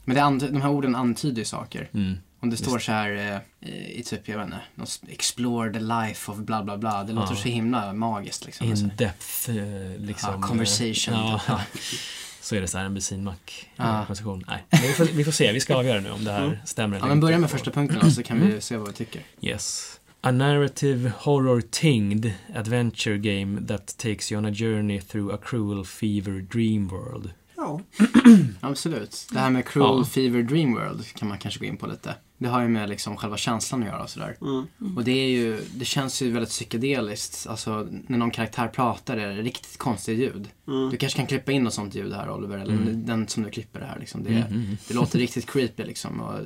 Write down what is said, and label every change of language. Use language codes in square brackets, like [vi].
[sv] Men de här orden antyder ju saker. Om det står så här i typ, jag vet inte, [en] explore the life of bla bla [sv] bla. Det låter så himla magiskt. Liksom, [en] in depth, [sv] liksom. [en] Ja, conversation. [sv] Ja. Så är det så här en bensinmack-konversation. Nej, vi får se. Vi ska avgöra nu om det här stämmer. Ja, men börja med första punkten så kan vi se vad vi tycker. [en] Yes. A narrative horror-tinged adventure game that takes you on a journey through a cruel fever dream world. [sv] Ja, absolut. Det här med [en] cruel fever dream world [sv] kan man kanske gå in på lite. Det har ju med liksom själva känslan att göra och sådär. Och det är ju, det känns ju väldigt psykedeliskt. Alltså när någon karaktär pratar är det riktigt konstigt ljud. Du kanske kan klippa in något sånt ljud här, Oliver, eller den som du klipper det här liksom. Det, det låter riktigt creepy liksom.